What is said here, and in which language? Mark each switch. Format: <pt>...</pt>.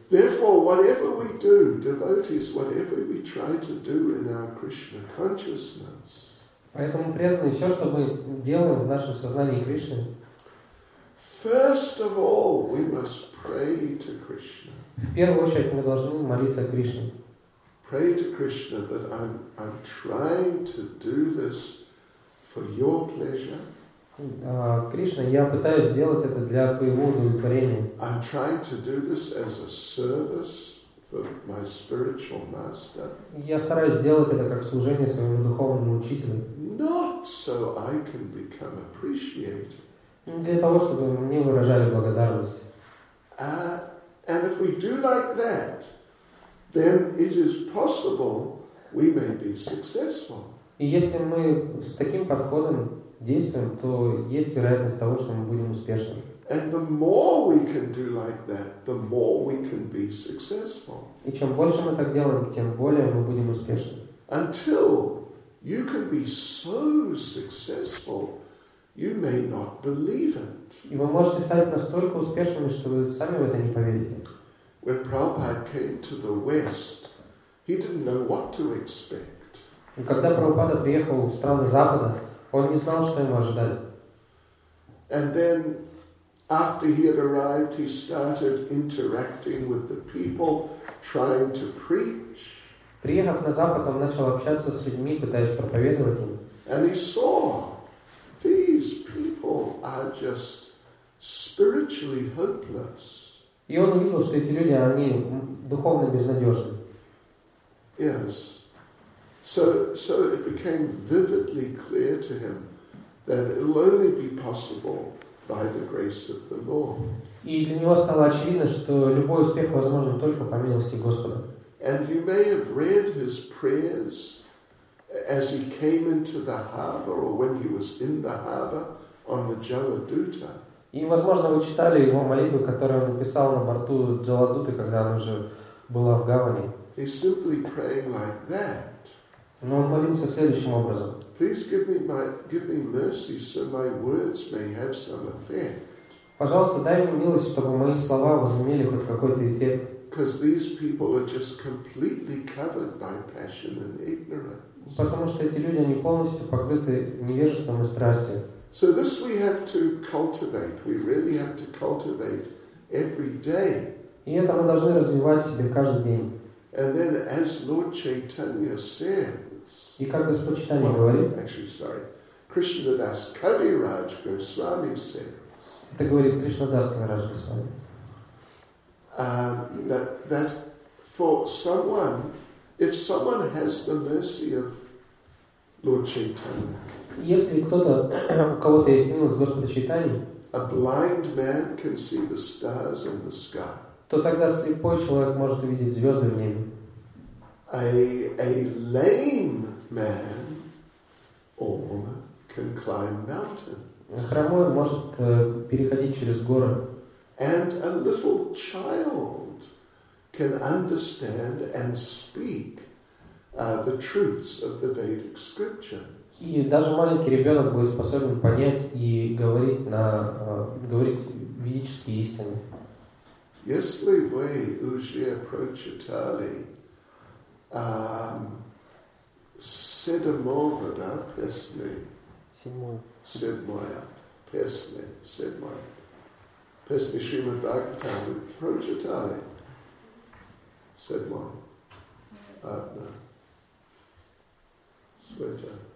<en>Therefore, whatever we do, devotees, whatever we try to do in our Krishna consciousness.</en> <ru>Поэтому преданные все, что мы делаем в нашем сознании Кришны.</ru> <en>First of all, we must pray to Krishna.</en> <ru>В первую очередь мы должны молиться Кришне.</ru> <en>Pray to Krishna that I'm trying to do this for your pleasure.</en> <ru>Кришна, я пытаюсь сделать это для твоего удовлетворения.</ru> <en>I'm trying to do this as a service for my spiritual master.</en> <ru>Я стараюсь сделать это как служение своему духовному учителю.</ru> <en>Not so I can become appreciated.</en> <ru>Для того, чтобы мне выражали благодарность.</ru> <en>And if we do like that, then it is possible we may be successful.</en> <ru>И если мы с таким подходом действуем, то есть вероятность того, что мы будем успешны.</ru> <en>And the more we can do like that, the more we can be successful.</en> <ru>И чем больше мы так делаем, тем более мы будем успешны.</ru> <en>Until you can be so successful, you may not believe it.</en> <ru>И вы можете стать настолько успешными, что вы сами в это не поверите.</ru> <en>When Prabhupada came to the West, he didn't know what to expect.</en> <ru>Когда Прабхупада приехал в страны Запада, он не знал, что ему ожидать.</ru> <en>And then, after he had arrived, he started interacting with the people, trying to preach.</en> <ru>Приехав на Запад, он начал общаться с людьми, пытаясь проповедовать им.</ru> <en>And he saw, these people are just spiritually hopeless.</en> <ru>И он увидел, что эти люди, они духовно безнадежны.</ru> <en>Yes. So it became vividly clear to him that it will only be possible by the grace of the Lord.</en> <ru>И для него стало очевидно, что любой успех возможен только по милости Господа.</ru> <en>And you may have read his prayers as he came into the harbor or when he was in the harbor on the Jaladuta.</en> <ru>И, возможно, вы читали его молитву, которую он написал на борту Джаладуты, когда она уже была в гавани.</ru> <en>He's simply praying like that.</en> <ru>Но он молился следующим образом.</ru> <en>Please give me mercy, so my words may have some effect.</en> <ru>Пожалуйста, дай мне милость, чтобы мои слова возымели хоть какой-то эффект.</ru> <en>Because these people are just completely covered by passion and ignorance.</en> <ru>Потому что эти люди, они полностью покрыты невежеством и страстью.</ru> <en>So this we have to cultivate. We really have to cultivate every day.</en> <ru>И это мы должны развивать в себе каждый день.</ru> <en>And then, as Lord Chaitanya says,</en> <ru>и как Господь Чайтанья говорит,</ru> <en>actually, sorry, Krishnadas Kaviraj Goswami says,</en> <ru>это говорит Кришнадас Кавирадж Госвами,</ru> <en>that for someone, if someone has the mercy of Lord Chaitanya.</en> <ru>Если кто-то, у кого-то есть милость Господа Чайтаньи,</ru> <en>a blind man can see the stars in the sky.</en> <ru>То тогда слепой человек может увидеть звезды в небе.</ru> <en>A lame man or woman can climb mountains.</en> <ru>Хромой может переходить через горы.</ru> <en>And a little child can understand and speak the truths of the Vedic scripture.</en> <ru>И даже маленький ребенок будет способен понять и говорить ведические истины. Если вы уже прочитали седьмое песни Шримад Бхагаватам, вы прочитали седьмое одно света.</ru>